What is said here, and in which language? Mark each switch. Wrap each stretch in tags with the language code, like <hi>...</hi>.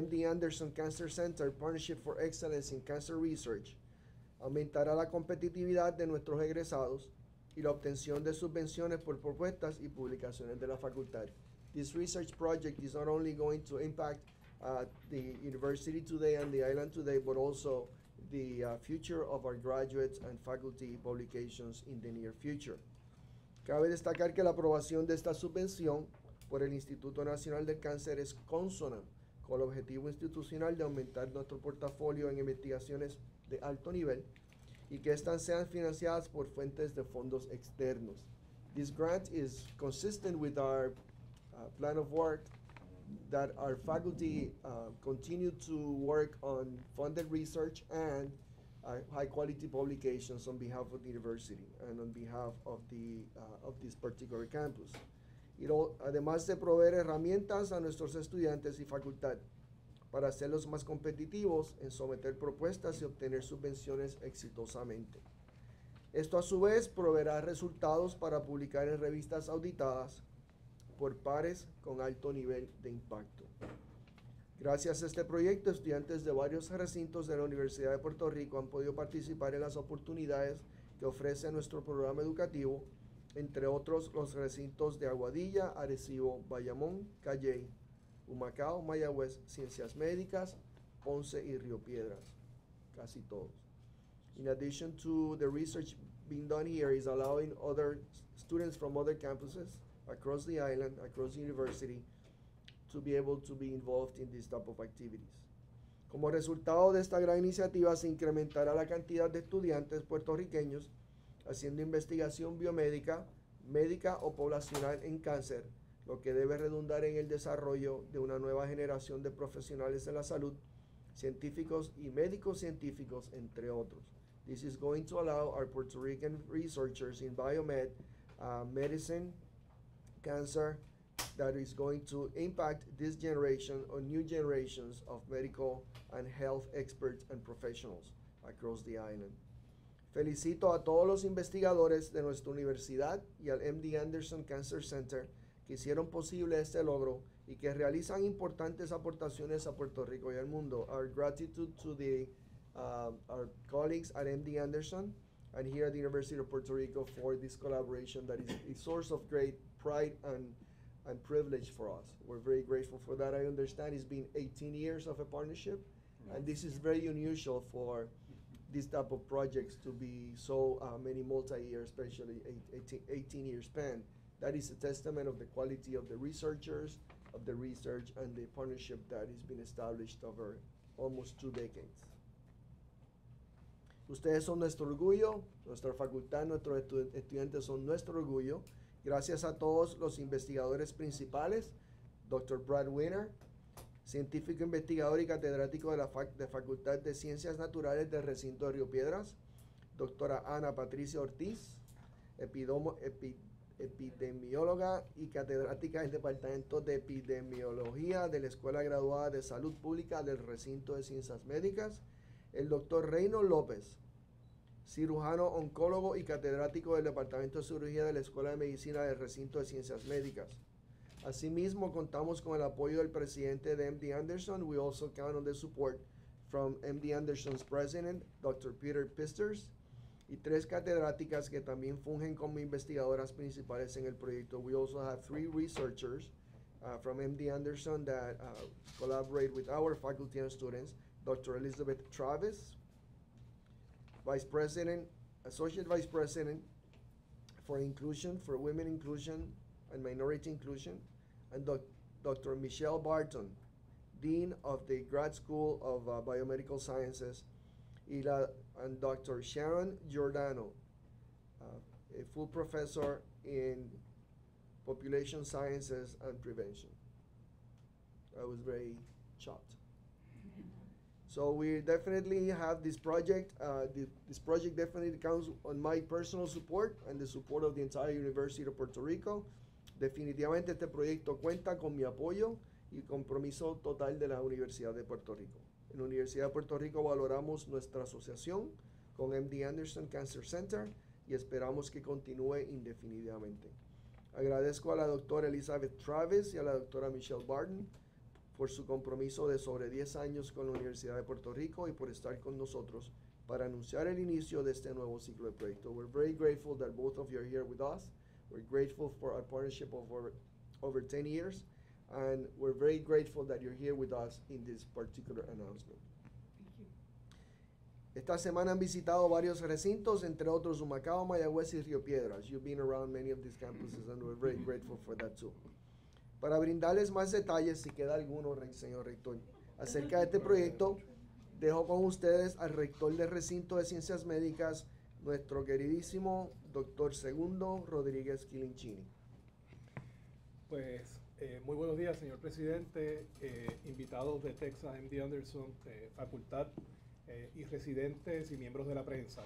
<es>Anderson Cancer Center Partnership for Excellence in Cancer Research aumentará la competitividad de nuestros egresados y la obtención de subvenciones por propuestas y publicaciones de la facultad.</es> <en>This research project is not only going to impact the university today and the island today, but also the future of our graduates and faculty publications in the near future.</en> <es>Cabe destacar que la aprobación de esta subvención por el Instituto Nacional del Cáncer es consona con el objetivo institucional de aumentar nuestro portafolio en investigaciones de alto nivel y que estas sean financiadas por fuentes de fondos externos.</es> <en>This grant is consistent with our plan of work that our faculty continue to work on funded research and high quality publications on behalf of the university and on behalf of the of this particular campus.</en> <es>Además de proveer herramientas a nuestros estudiantes y facultad para hacerlos más competitivos en someter propuestas y obtener subvenciones exitosamente. Esto a su vez proveerá resultados para publicar en revistas auditadas por pares con alto nivel de impacto. Gracias a este proyecto, estudiantes de varios recintos de la Universidad de Puerto Rico han podido participar en las oportunidades que ofrece nuestro programa educativo, entre otros los recintos de Aguadilla, Arecibo, Bayamón, Cayey, Humacao, Mayagüez, Ciencias Médicas, Ponce y Río Piedras, casi todos.</es> <en>In addition to the research being done here, is allowing other students from other campuses across the island, across the university, to be able to be involved in this type of activities.</en> <es>Como resultado de esta gran iniciativa, se incrementará la cantidad de estudiantes puertorriqueños haciendo investigación biomédica, médica o poblacional en cáncer, lo que debe redundar en el desarrollo de una nueva generación de profesionales de la salud, científicos y médicos científicos, entre otros.</es> <en>This is going to allow our Puerto Rican researchers in biomed, medicine, cancer, that is going to impact this generation or new generations of medical and health experts and professionals across the island.</en> <es>Felicito a todos los investigadores de nuestra universidad y al MD Anderson Cancer Center que hicieron posible este logro y que realizan importantes aportaciones a Puerto Rico y al mundo.</es> <en>Our gratitude to the our colleagues at MD Anderson and here at the University of Puerto Rico for this collaboration that is a source of great pride and privilege for us. We're very grateful for that. I understand it's been 18 years of a partnership, and this is very unusual for this type of projects to be so many multi-year, especially 18-year span. That is a testament of the quality of the researchers, of the research, and the partnership that has been established over almost two decades.</en> <es>Ustedes son nuestro orgullo, nuestra facultad, nuestros estudiantes son nuestro orgullo. Gracias a todos los investigadores principales, Dr. Brad Winner, científico investigador y catedrático de la Facultad de Ciencias Naturales del Recinto de Río Piedras, doctora Ana Patricia Ortiz, epidemióloga y catedrática del Departamento de Epidemiología de la Escuela Graduada de Salud Pública del Recinto de Ciencias Médicas, el doctor Reino López, cirujano oncólogo y catedrático del Departamento de Cirugía de la Escuela de Medicina del Recinto de Ciencias Médicas. Asimismo, contamos con el apoyo del presidente de MD Anderson.</es> <en>We also count on the support from MD Anderson's president, Dr.</en> <es>Peter Pisters, y tres catedráticas que también fungen como investigadoras principales en el proyecto.</es> <en>We also have three researchers from MD Anderson that collaborate with our faculty and students, Dr. Elizabeth Travis, Vice President, Associate Vice President for Inclusion, for Women Inclusion and Minority Inclusion, and Dr. Michelle Barton, Dean of the Grad School of Biomedical Sciences, and Dr. Sharon Giordano, a full professor in Population Sciences and Prevention. I was very shocked. So we definitely have this project. This project definitely counts on my personal support and the support of the entire University of Puerto Rico.</en> <es>Definitivamente este proyecto cuenta con mi apoyo y compromiso total de la Universidad de Puerto Rico. En la Universidad de Puerto Rico valoramos nuestra asociación con MD Anderson Cancer Center y esperamos que continúe indefinidamente. Agradezco a la doctora Elizabeth Travis y a la doctora Michelle Barton por su compromiso de sobre 10 años con la Universidad de Puerto Rico y por estar con nosotros para anunciar el inicio de este nuevo ciclo de proyecto.</es> <en>We're very grateful that both of you are here with us. We're grateful for our partnership of over 10 years. And we're very grateful that you're here with us in this particular announcement. Thank you.</en> <es>Esta semana han visitado varios recintos, entre otros Humacao, Mayagüez y Río Piedras.</es> <en>You've been around many of these campuses, and we're very grateful for that too.</en> <es>Para brindarles más detalles, si queda alguno, señor rector, acerca de este proyecto, dejo con ustedes al rector del recinto de Ciencias Médicas, nuestro queridísimo doctor Segundo Rodríguez Quilincini. Pues, muy buenos días, señor presidente, invitados de Texas MD Anderson, facultad y residentes y miembros de la prensa.</es>